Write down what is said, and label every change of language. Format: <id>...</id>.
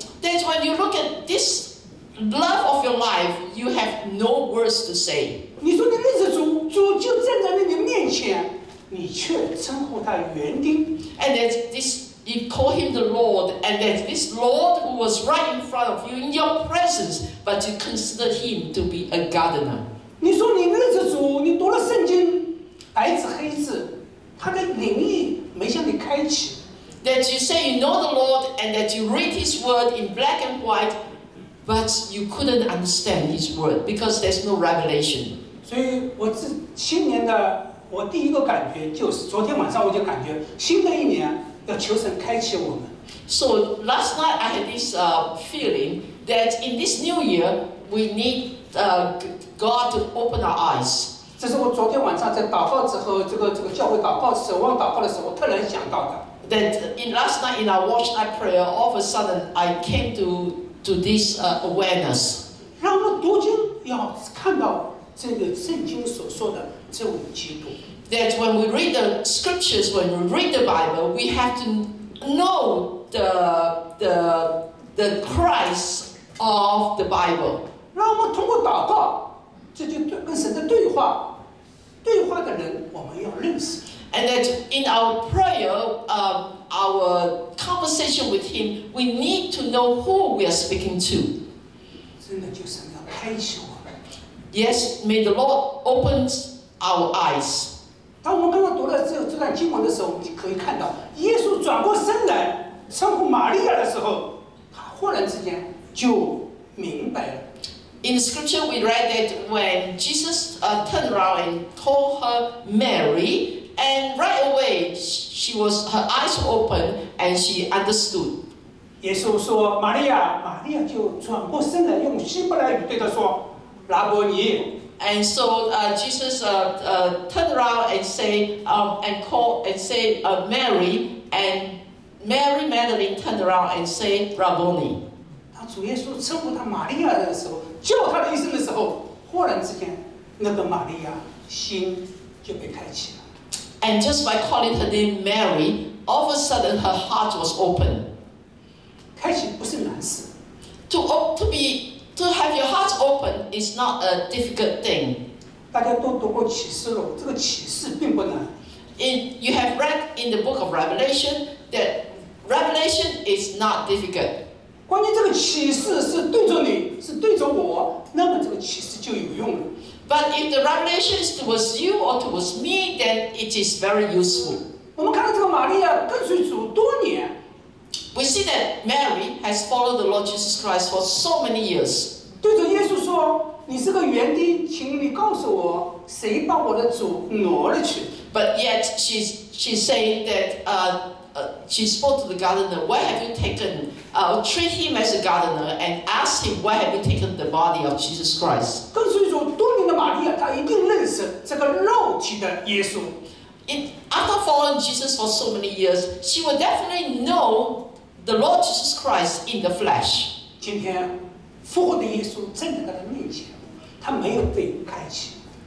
<en>That's when you look at this love of your life, you have no words to say.</en> <zh>你说你认识主，主就站在你的面前，你却称呼他园丁。</zh> <en>And that this you call him the Lord, and that this Lord who was right in front of you in your presence, but you consider him to be a gardener.</en> <zh>你说你认识主，你读了圣经，白纸黑字。他的灵意没向你开启。</zh> <en>That you say you know the Lord and that you read His word in black and white, but you couldn't understand His word because there's no revelation.</en> <zh>所以我这新年的我第一个感觉就是昨天晚上我就感觉新的一年要求神开启我们。</zh> <en>So last night I had this feeling that in this new year we need God to open our eyes.</en> <zh>这是我昨天晚上在祷告之后，这个教会祷告、守望祷告的时候，突然想到的。</zh> <en>That in last night in our watch night prayer, all of a sudden I came to this awareness.</en> <zh>让我们读经要看到这个圣经所说的这位基督。</zh> <en>That when we read the scriptures, when we read the Bible, we have to know the Christ of the Bible.</en> <zh>让我们通过祷告。这就对跟神的对话，对话的人我们要认识。</zh> <en>And that in our prayer, our conversation with Him, we need to know who we are speaking to.</en> <zh>真的就神要开启我们。</zh> <en>Yes, may the Lord open our eyes.</en> <zh>当我们刚刚读了这段经文的时候，我们就可以看到，耶稣转过身来称呼玛利亚的时候，他忽然之间就明白了。</zh> <en>In the scripture, we read that when Jesus turned around and called her Mary, and right away her eyes were open and she understood.</en> <zh>耶稣说：“玛利亚，玛利亚就转过身来，用希伯来语对他说：‘拉伯尼。’</zh> <en>And so Jesus turned around and called Mary, and Mary Magdalene turned around and said, '拉伯尼.'</en> <zh>当主耶稣称呼她玛利亚的时候。” 叫他的一声的时候，忽然之间，那个玛利亚心就被开启了。</zh> <en>And just by calling her name Mary, all of a sudden her heart was open.</en> <zh>开启不是难事。</zh> <en>To have your heart open is not a difficult thing.</en> <zh>大家都读过启示录，这个启示并不难。</zh> <en>you have read in the book of Revelation that Revelation is not difficult.</en> <zh>关键这个启示是对着你，是对着我，那么这个启示就有用了。</zh> <en>But if the revelation is towards you or towards me, then it is very useful.</en> <zh>我们看到这个玛利亚跟随主多年。</zh> <en>We see that Mary has followed the Lord Jesus Christ for so many years.</en> <zh>对着耶稣说：“你是个园丁，请你告诉我，谁把我的主挪了去？”</zh> <en>But yet she's saying that she spoke to the gardener, "Where have you taken?" Treat him as a gardener and ask him, "Where have you taken the body of Jesus Christ?"</en> <zh>跟随主多年的玛利亚，她一定认识这个肉体的耶稣。</zh> <en>After following Jesus for so many years, she will definitely know the Lord Jesus Christ in the flesh.</en> <zh>今天，复活的耶稣站在她的面前，她没有被开启。</zh>